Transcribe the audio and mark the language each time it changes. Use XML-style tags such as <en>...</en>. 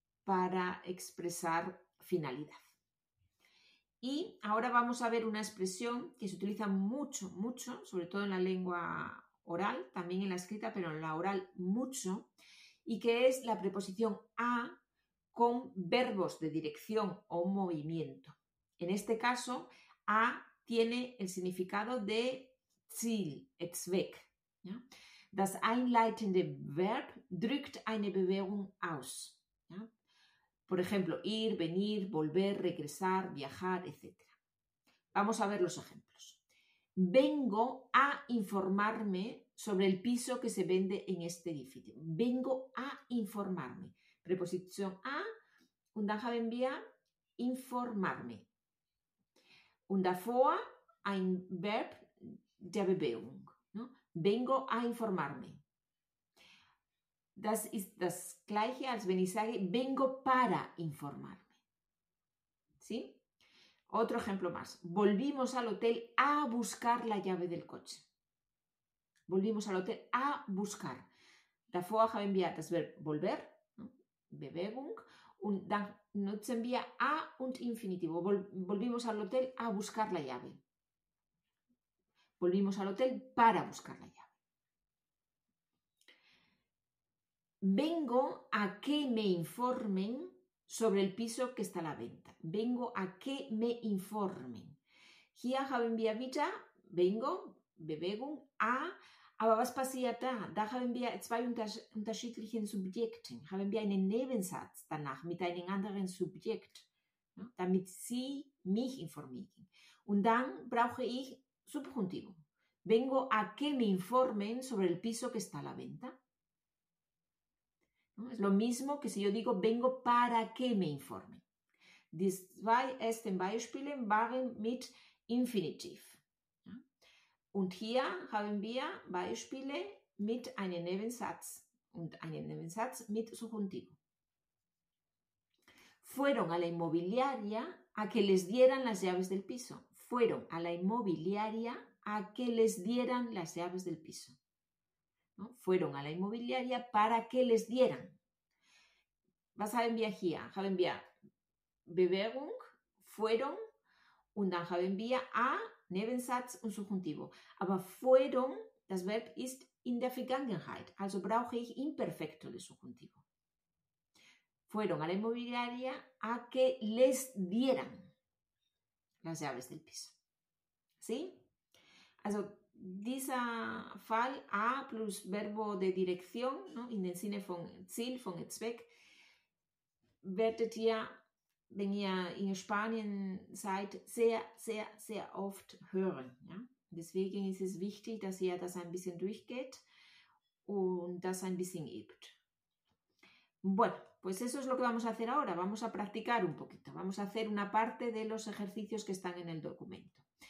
<es>para expresar finalidad. Y ahora vamos a ver una expresión que se utiliza mucho, mucho, sobre todo en la lengua oral, también en la escrita, pero en la oral mucho, y que es la preposición a con verbos de dirección o movimiento. En este caso, a tiene el significado de Ziel, Zweck. ¿Ya?</es> <de>Das einleitende Verb drückt eine Bewegung aus.</de> <es>¿Ya? Por ejemplo, ir, venir, volver, regresar, viajar, etc. Vamos a ver los ejemplos. Vengo a informarme sobre el piso que se vende en este edificio. Vengo a informarme. Preposición a,</es> <de>und dann haben wir informarme. Und davor ein Verb der Bewegung.</de> <es>¿No? Vengo a informarme.</es> <de>Das ist das gleiche, als wenn ich sage,</de> <es>vengo para informarme. ¿Sí? Otro ejemplo más. Volvimos al hotel a buscar la llave del coche. Volvimos al hotel a buscar.</es> <de>Davor haben wir das Verb volver,</de> <es>¿no?</es> <de>Bewegung. Und dann nutzen wir a und infinitivo.</de> <es>Volvimos al hotel a buscar la llave. Volvimos al hotel para buscar la llave. Vengo a que me informen sobre el piso que está a la venta. Vengo a que me informen.</es> <de>Hier haben wir wieder, vengo, bewegung, a. Aber was passiert da? Da haben wir zwei unterschiedliche Subjekte. Haben wir einen Nebensatz danach mit einem anderen Subjekt, ja, damit sie mich informieren. Und dann brauche ich Subjuntivo.</de> <es>Vengo a que me informen sobre el piso que está a la venta. ¿No? Es lo mismo que si yo digo vengo para que me informen.</es> <de>Die zwei ersten Beispiele waren mit Infinitiv.</de> <es>¿Ja?</es> <de>Und hier haben wir Beispiele mit einem Nebensatz und einem Nebensatz mit Subjuntivo.</de> <es>Fueron a la inmobiliaria a que les dieran las llaves del piso. Fueron a la inmobiliaria a que les dieran las llaves del piso. ¿No? Fueron a la inmobiliaria para que les dieran.</es> <de>Was haben wir hier? Haben wir Bewegung, fueron, und dann haben wir a, Nebensatz und Subjuntivo. Aber fueron, das Verb ist in der Vergangenheit, also brauche ich Imperfecto de Subjuntivo.</de> <es>Fueron a la inmobiliaria a que les dieran las llaves del piso. ¿Sí?</es> <de>Also, dieser Fall</de> <es>A plus Verbo de Dirección, ¿no?</es> <de>In dem Sinne von Ziel, von Zweck, werdet ihr, wenn ihr in Spanien seid, sehr, sehr, sehr oft hören. Ja? Deswegen ist es wichtig, dass ihr das ein bisschen durchgeht und das ein bisschen übt.</de> <es>Bueno, pues eso es lo que vamos a hacer ahora. Vamos a practicar un poquito. Vamos a hacer una parte de los ejercicios que están en el documento.</es>